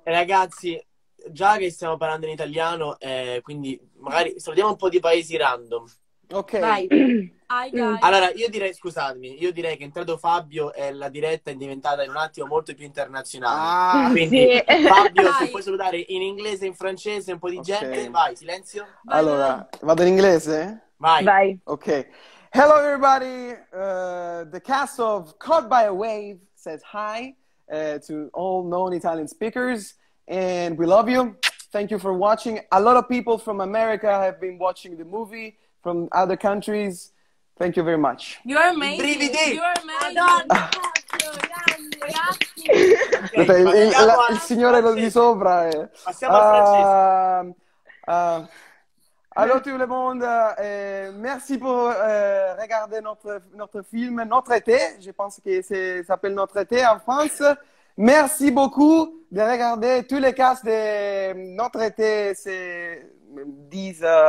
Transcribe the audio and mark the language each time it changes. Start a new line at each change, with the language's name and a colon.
Italian: Ragazzi, già che stiamo parlando in italiano, quindi magari salutiamo un po' di paesi random. Ok. Vai. Allora, io direi che è entrato Fabio e la diretta è diventata in un attimo molto più internazionale. Ah, quindi sì. Fabio, se puoi salutare in inglese, in francese, un po' di gente, vai, silenzio. Allora, vado in inglese? Vai. Vai. Ok.
English: Hello everybody, the cast of Caught by a Wave says hi to all known Italian speakers and we love you, thank you for watching. A lot of people from America have been watching the movie from other countries. Thank you very much. You are amazing.
Italian: Brividi.
English: You are amazing.
Italian: Madonna, grazie. Okay, il signore lo di sopra. Passiamo al francese.
French: Allo tout le monde, merci pour regarder notre film, Notre Été. Je pense que ça s'appelle Notre Été en France. Merci beaucoup de regarder tous les casts de Notre Été. C'est 10